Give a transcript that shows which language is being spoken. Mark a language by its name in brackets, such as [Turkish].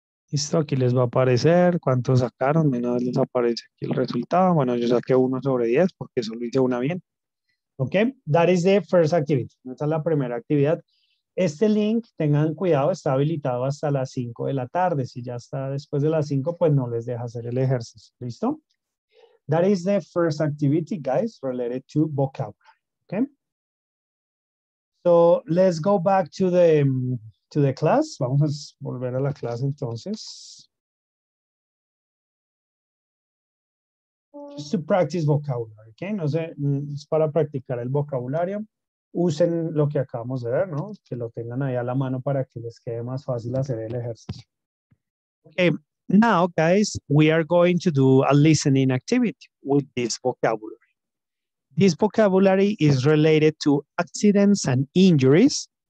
[Spanish] Listo, aquí les va a aparecer cuántos sacaron. De una vez les aparece aquí el resultado. Bueno, yo saqué 1 sobre 10 porque solo hice una bien. [English] Ok, that is the first activity. [Spanish] Esta es la primera actividad. Este link, tengan cuidado, está habilitado hasta las 5 de la tarde. Si ya está después de las 5, pues no les deja hacer el ejercicio. ¿Listo? [English] That is the first activity, guys, related to vocabulary. Ok. So, let's go back to the. To the class, [Spanish] vamos a volver a la clase entonces. [English] Just to practice vocabulary, [Spanish] ¿ok? No sé, es para practicar el vocabulario. Usen lo que acabamos de ver, ¿no? Que lo tengan ahí a la mano para que les quede más fácil hacer el ejercicio. [English] Okay, now guys, we are going to do a listening activity with this vocabulary. This vocabulary is related to accidents and injuries.